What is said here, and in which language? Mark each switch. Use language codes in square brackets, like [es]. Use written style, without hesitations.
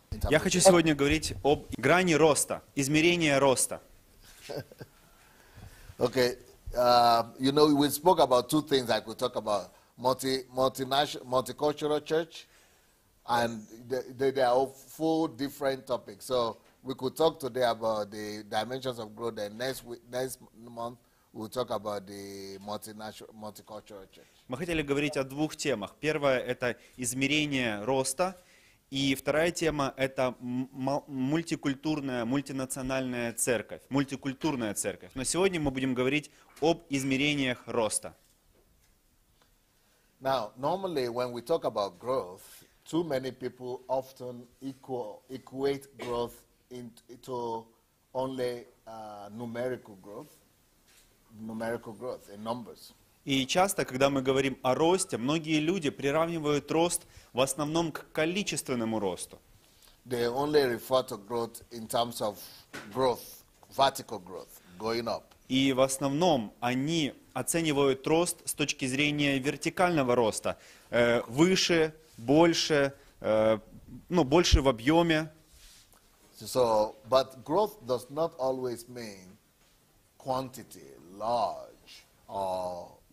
[ru] Я хочу сегодня говорить об грани роста, измерении роста. [en] Okay, you know, we spoke about two things. I could talk about multicultural church, and they are four different topics. So we could talk today about the dimensions of growth. And next month we'll talk about the multicultural church. [ru] Мы хотели говорить о двух темах. Первая – это измерение роста, и вторая тема – это мультикультурная, мультинациональная церковь, мультикультурная церковь. Но сегодня мы будем говорить об измерениях роста. [en] Now, normally, when we talk about growth, too many people often equate growth into only numerical growth in numbers. [ru] И часто, когда мы говорим о росте, многие люди приравнивают рост в основном к количественному росту. [en] They only refer to growth in terms of growth, vertical growth, going up. [ru] И в основном они оценивают рост с точки зрения вертикального роста, выше, больше, ну, больше в объеме. [en] So, but growth does not always mean quantity, large, or